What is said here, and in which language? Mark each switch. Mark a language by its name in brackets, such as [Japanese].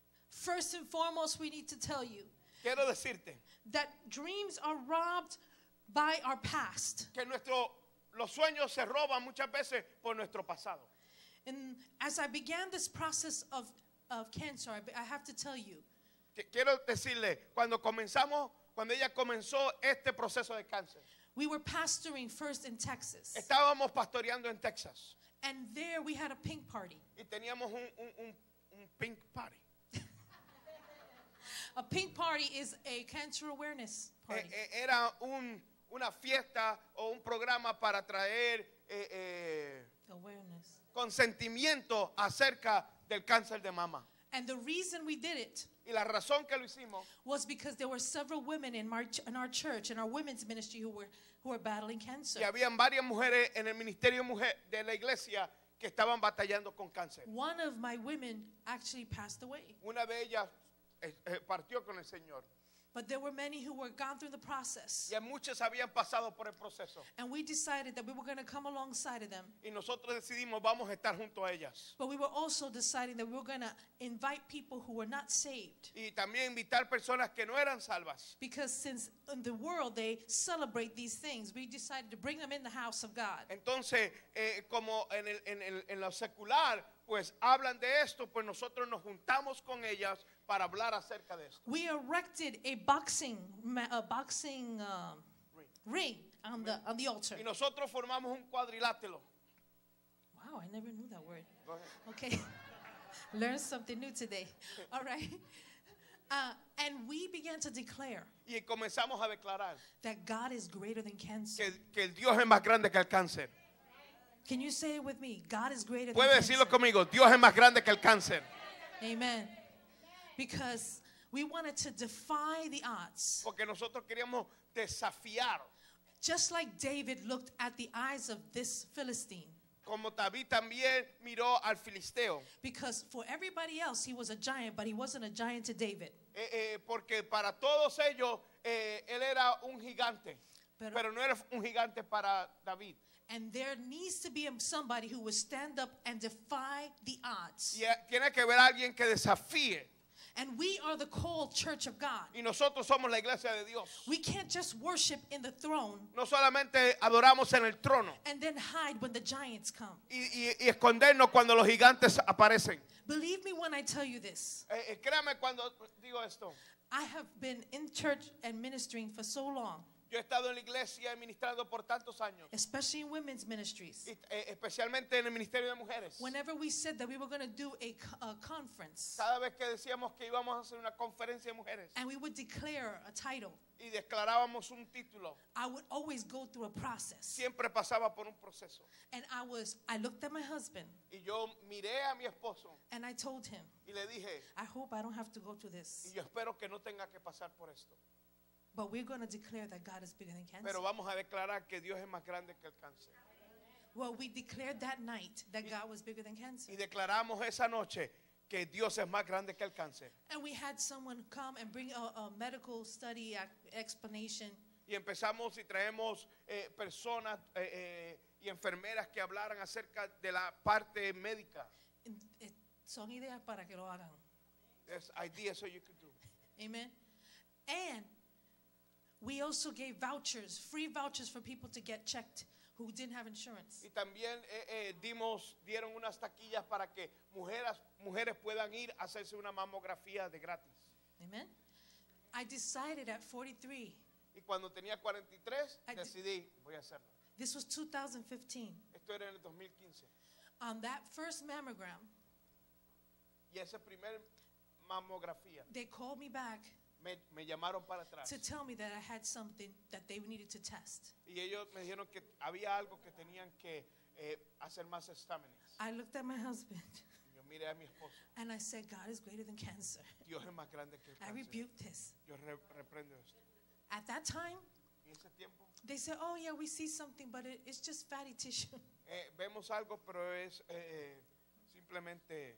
[English] First and foremost, we need to tell you, [Spanish] quiero decirte, [English] that dreams are robbed by our past. [Spanish] Que los sueños se roban muchas veces por nuestro pasado. [English] And as I began this process of cancer, I have to tell you. [Spanish] Quiero decirle, cuando ella comenzó este proceso de cáncer. [English] We were pastoring first in Texas. [Spanish] Estábamos pastoreando en Texas. [English] And there we had a pink party. [Spanish] Y teníamos un pink party. [English] A pink party is a cancer awareness party. [Spanish] Era una fiesta o un programa para traer [English] awareness. [Spanish] Consentimiento acerca del cáncer de mama. [English] And the reason we did it, [Spanish] y la razón que lo hicimos, [English] was because there were several women in our church, in our women's ministry, who were battling cancer. [Spanish] Y habían varias mujeres en el ministerio mujer de la iglesia que estaban batallando con cáncer. [English] One of my women actually passed away. [Spanish] Una de ellas partió con el Señor. [English] But there were many who were gone through the process. [Spanish] Y muchos habían pasado por el proceso. [English] And we decided that we were going to come alongside of them. [Spanish] Y nosotros decidimos vamos a estar junto a ellas. [English] But we were also deciding that we were going to invite people who were not saved. [Spanish] Y también invitar personas que no eran salvas. [English] Because since in the world they celebrate these things, we decided to bring them in the house of God. [Spanish] Entonces, como en lo secular, pues hablan de esto, pues nosotros nos juntamos con ellas para hablar acerca de esto. [English] We erected a boxing ring on the altar. [Spanish] Y nosotros formamos un cuadrilátero. [English] Wow, I never knew that word. Okay. Learn something new today. All right. And we began to declare. [Spanish] Y comenzamos a declarar. [English] That God is greater than cancer. [Spanish] Que el Dios es más grande que el cáncer. [English] Can you say it with me? God is greater than cancer. [Spanish] Puede decirlo conmigo. Dios es más grande que el cáncer. [English] Amen. Because we wanted to defy the odds. [Spanish] Porque nosotros queríamos desafiar. [English] Just like David looked at the eyes of this Philistine. [Spanish] Como David también miró al filisteo. [English] Because for everybody else he was a giant, but he wasn't a giant to David. [Spanish] Porque para todos ellos él era un gigante. Pero no era un gigante para David. [English] And there needs to be somebody who would stand up and defy the odds. [Spanish] Tiene que haber alguien que desafíe. [English] And we are the called church of God. [Spanish] Y nosotros somos la iglesia de Dios. [English] We can't just worship in the throne. [Spanish] No solamente adoramos en el trono. [English] And then hide when the giants come. [Spanish] Y escondernos cuando los gigantes aparecen. [English] Believe me when I tell you this. [Spanish] Créame cuando digo esto. [English] I have been in church and ministering for so long. [Spanish] Yo he estado en la iglesia ministrando por tantos años. [English] Especially in women's ministries. [Spanish] Especialmente en el ministerio de mujeres. [English] Whenever we said that we were going to do a conference. [Spanish] Cada vez que decíamos que íbamos a hacer una conferencia de mujeres. [English] And we would declare a title. [Spanish] Y declarábamos un título. [English] I would always go through a process. [Spanish] Siempre pasaba por un proceso. [English] And I looked at my husband. [Spanish] Y yo miré a mi esposo. [English] And I told him. [Spanish] Y le dije. [English] I hope I don't have to go through this. [Spanish] Y yo espero que no tenga que pasar por esto. [English] But we're going to declare that God is bigger than cancer. [Spanish] Pero vamos a declarar que Dios es más grande que el cáncer. [English] Well, we declared that night that God was bigger than cancer. [Spanish] Y declaramos esa noche que Dios es más grande que el cáncer. [English] And we had someone come and bring a medical study explanation. [Spanish] y empezamos y traemos personas y enfermeras que hablaran acerca de la parte médica. Son ideas para que lo hagan. [English] There's ideas so you could do. Amen. And we also gave vouchers, free vouchers for people to get checked who didn't have insurance. [Spanish] Y también dieron unas taquillas para que mujeres puedan ir a hacerse una mamografía de gratis. [English] Amen. I decided at 43. [Spanish] Y cuando tenía 43, decidí voy a hacerlo. [English] This was 2015. [Spanish] Esto era en el 2015. [English] On that first mammogram. [Spanish] Y ese primer mamografía. [English] They called me back. [Spanish] Me llamaron para atrás. [English] To tell me that I had something that they needed to test. [Spanish] Y ellos me dijeron que había algo que tenían que hacer más exámenes. [English] I looked at my husband. [Spanish] Yo miré a mi esposo. [English] And I said, God is greater than cancer. [Spanish] Dios es más grande que el cáncer. [English] I rebuked this. [Spanish] Yo reprendo esto. [English] At that time. [Spanish] ¿Y ese tiempo? [English] They said, oh yeah, we see something, but it's just fatty tissue. [Spanish] Vemos algo, pero es simplemente